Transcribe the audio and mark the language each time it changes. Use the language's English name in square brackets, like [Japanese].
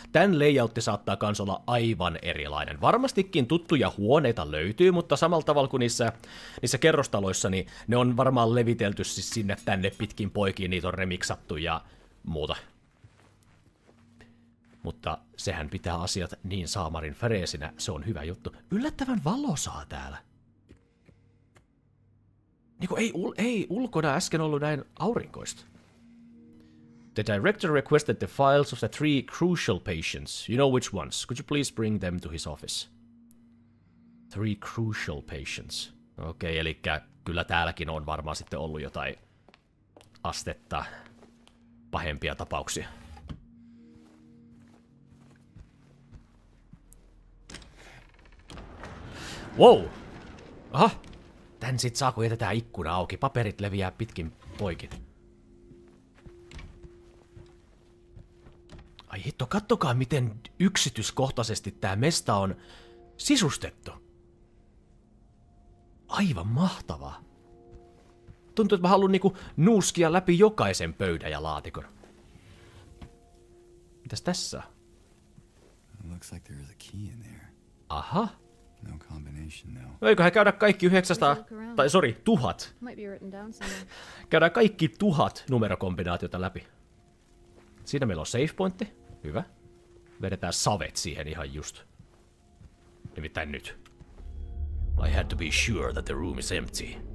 [Finnish] Tän layoutti saattaa kans olla aivan erilainen. Varmastikin tuttuja huoneita löytyy, mutta samalla tavalla kuin niissä kerrostaloissa, niin ne on varmaan levitelty siis sinne tänne pitkin poikiin, niitä on remiksattu ja muuta. Mutta sehän pitää asiat niin saamarin freesinä, se on hyvä juttu. Yllättävän valosaa täällä. Niin kuin ei ulkona äsken ollut näin aurinkoista. [English] The director requested the files of the three crucial patients. You know which ones. Could you please bring them to his office? Three crucial patients. [Finnish] Okei, elikkä kyllä täälläkin on varmaan sitten ollut jotain astetta pahempia tapauksia. Wow! Aha! Tän sit saa, kun jätetään ikkuna auki. Paperit leviää pitkin poikin. Ai hitto, kattokaa miten yksityiskohtaisesti tää mesta on sisustettu. Aivan mahtavaa. Tuntuu, että mä haluun niinku nuuskia läpi jokaisen pöydän ja laatikon. Mitäs tässä? [English] Looks like there is a key in there. Aha. No combination now. [Finnish] No eiköhän käydä kaikki 900, tai sorry, 1000. [English] Might be written down somewhere. [Finnish] Käydään kaikki 1000 numerokombinaatiota läpi. Siinä meillä on save pointti. Hyvä. Vedetään savet siihen ihan just. Nimittäin nyt. [English] I had to be sure that the room is empty.